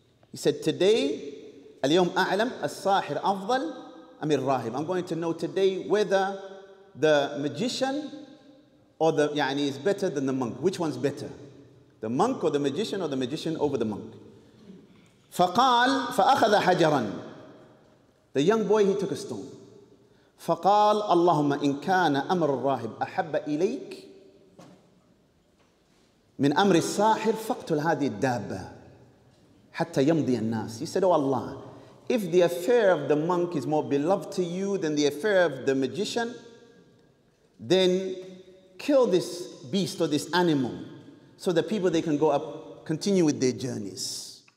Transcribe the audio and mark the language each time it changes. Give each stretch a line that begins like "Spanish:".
English: He said, today,
Arabic: اليوم أعلم الساحر أفضل أم الراهب
English: I'm going to know today whether the magician or the
Arabic: يعني
English: is better than the monk. Which one's better? The monk or the magician over the monk?
Arabic: فقال فأخذ حجرا.
English: The young boy, he took a stone.
Arabic: فقال اللهم إن كان أمر الراهب أحب إليك من أمر الساحر فاقتل هذه الدابة حتى يمضي الناس.
English: He said, oh Allah, if the affair of the monk is more beloved to you than the affair of the magician, then kill this beast or this animal so the people they can go up continue with their journeys